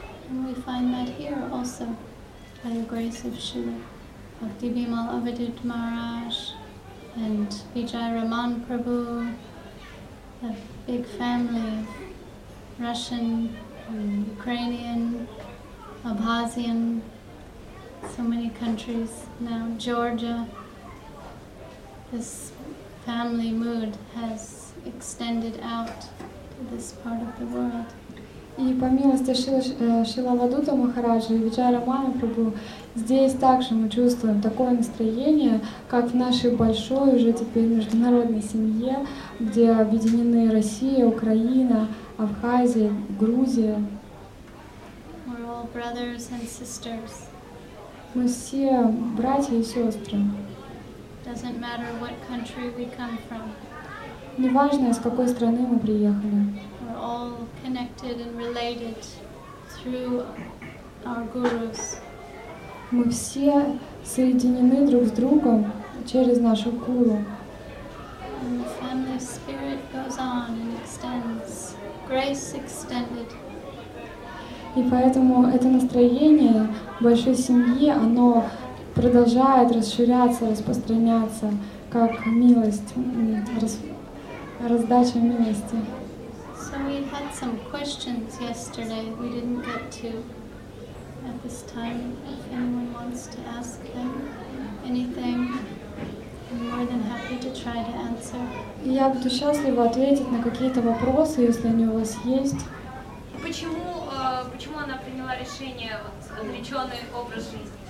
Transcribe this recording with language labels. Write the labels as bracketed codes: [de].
[en] And we find that here also, by the grace of Srila Bhakti Bimal Avadhut Maharaj and Vijay Raman Prabhu, the big family of Russian, Ukrainian, Abkhazian, so many countries now, Georgia. This family mood has extended out to this part of the world. [ru] И по милости Шрила Авадута Махараджа и Виджая Рамана Прабху, здесь также мы чувствуем такое настроение, как в нашей большой уже теперь международной семье, где объединены Россия, Украина, Абхазия, Грузия. [en] We're all brothers and sisters. [ru] Мы все братья и сестры. [en] Doesn't matter what country we come from. [ru] Не важно, из какой страны мы приехали. [en] We're all connected and related through our gurus. [ru] Мы все соединены друг с другом через нашу гуру. [en] And the family spirit goes on and extends, grace extended. [ru] И поэтому это настроение большой семьи, оно продолжает расширяться, распространяться, как милость, раздача милости. [en] So we had some questions yesterday we didn't get to at this time. If anyone wants to ask them anything, I'm more than happy to try to answer. [ru] Я буду счастлива ответить на какие-то вопросы, если они у вас есть. Почему она приняла решение отреченный образ жизни?